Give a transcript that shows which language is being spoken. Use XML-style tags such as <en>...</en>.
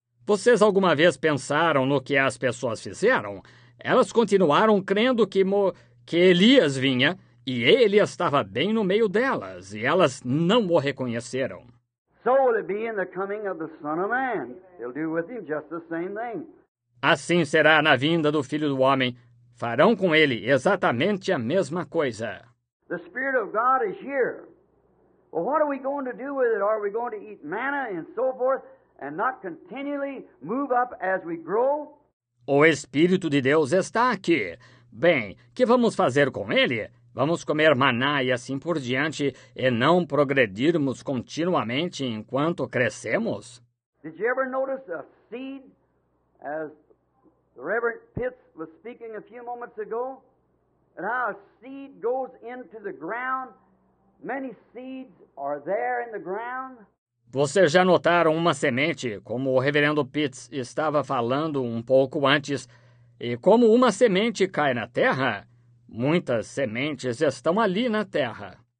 <pt>Vocês alguma vez pensaram no que as pessoas fizeram? Elas continuaram crendo que Elias vinha e ele estava bem no meio delas e elas não o reconheceram.</pt> <en>So will it be in the coming of the Son of Man. They'll do with him just the same thing.</en> <pt>Assim será na vinda do Filho do Homem. Farão com ele exatamente a mesma coisa.</pt> <en>The Spirit of God is here. Well, what are we going to do with it? Are we going to eat manna and so forth and not continually move up as we grow?</en> <pt>O Espírito de Deus está aqui. Bem, que vamos fazer com ele? Vamos comer maná e assim por diante e não progredirmos continuamente enquanto crescemos?</pt> <en>Did you ever notice a seed as the Reverend Pitts was speaking a few moments ago? And how a seed goes into the ground? Many seeds are there in the ground.</en> <pt>Vocês já notaram uma semente, como o Reverendo Pitts estava falando um pouco antes, e como uma semente cai na terra? Muitas sementes estão ali na terra.</pt>